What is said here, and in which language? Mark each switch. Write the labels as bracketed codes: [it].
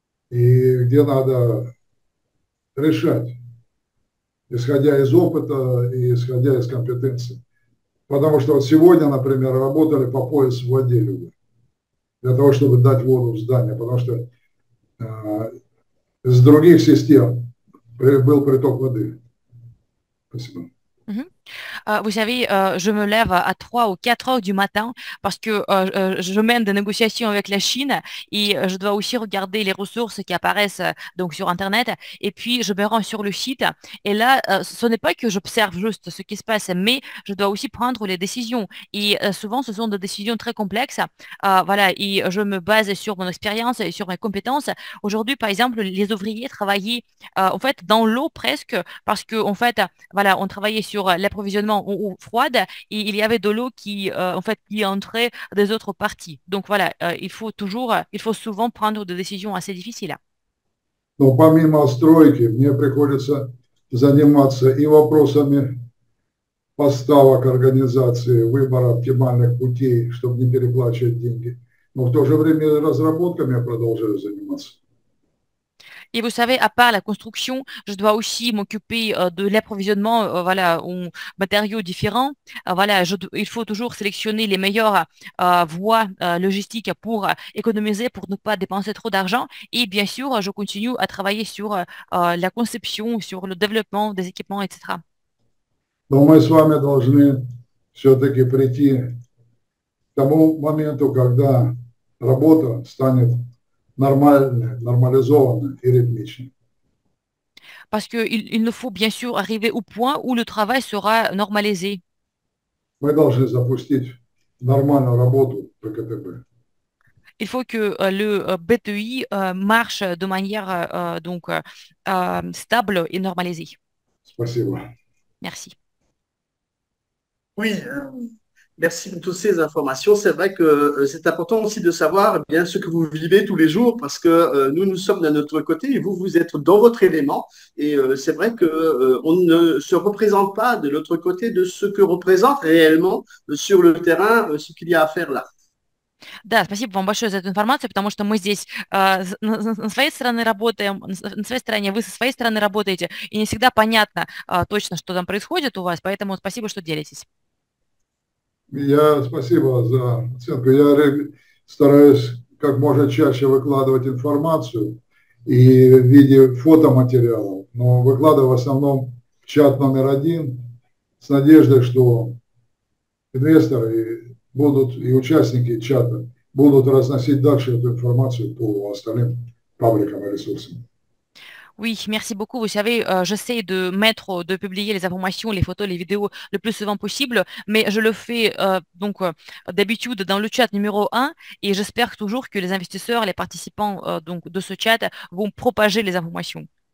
[ru] И где надо решать, исходя из опыта и исходя из компетенции. Потому что вот сегодня, например, работали по пояс в воде люди, для того, чтобы дать воду в здание, потому что из других систем был приток воды. Спасибо. [fr] Vous savez, je me lève à 3 ou 4 heures du matin parce que je mène des négociations avec la Chine et je dois aussi regarder les ressources qui apparaissent donc sur Internet. Et puis, je me rends sur le site. Et là, ce n'est pas que j'observe juste ce qui se passe, mais je dois aussi prendre les décisions. Et souvent, ce sont des décisions très complexes. Voilà, et je me base sur mon expérience et sur mes compétences. Aujourd'hui, par exemple, les ouvriers travaillaient en fait dans l'eau presque parce que, en fait, voilà, on travaillait sur l'approvisionnement en eau froide et il y avait de l'eau qui en fait qui entrait des autres parties. Donc voilà, il faut souvent prendre des décisions assez difficiles. [ru] Но помимо стройки мне приходится заниматься и вопросами поставок, организации, выбора оптимальных путей, чтобы не переплачивать деньги. Но в то же время разработками я продолжаю заниматься. [fr] Et vous savez, à part la construction, je dois aussi m'occuper de l'approvisionnement, voilà, en matériaux différents. Voilà, il faut toujours sélectionner les meilleures voies logistiques pour économiser, pour ne pas dépenser trop d'argent. Et bien sûr, je continue à travailler sur la conception, sur le développement des équipements, etc. [ru] Но мы с вами должны все-таки прийти к тому моменту, когда работа станет нормальной, нормализованной и ритмичной. [fr] Parce qu'il nous faut bien sûr arriver au point où le travail sera normalisé. [ru] Мы должны запустить нормальную работу ПКТБ. [fr] Il faut que le BTI marche de manière donc stable et normalisée. [ru] Спасибо. [fr] Merci. Oui, merci pour toutes ces informations. C'est vrai que c'est important aussi de savoir eh bien ce que vous vivez tous les jours, parce que nous sommes de notre côté et vous, vous êtes dans votre élément. Et c'est vrai que on ne se représente pas de l'autre côté de ce que représente réellement sur le terrain ce qu'il y a à faire là. [ru] Да, спасибо вам большое за эту информацию, потому что мы здесь на своей стороне работаем, на своей стороне, вы со своей стороны работаете, и не всегда понятно точно, что там происходит у вас, поэтому спасибо, что делитесь. Я спасибо за оценку. Я стараюсь как можно чаще выкладывать информацию и в виде фотоматериалов, но выкладываю в основном в чат номер один с надеждой, что инвесторы будут и участники чата будут разносить дальше эту информацию по остальным пабликам и ресурсам. [fr] Oui, merci beaucoup. Vous savez, j'essaie de publier les informations, les photos, les vidéos le plus souvent possible, mais je le fais d'habitude dans le chat numéro 1 et j'espère toujours que les investisseurs, les participants de ce chat vont propager les informations.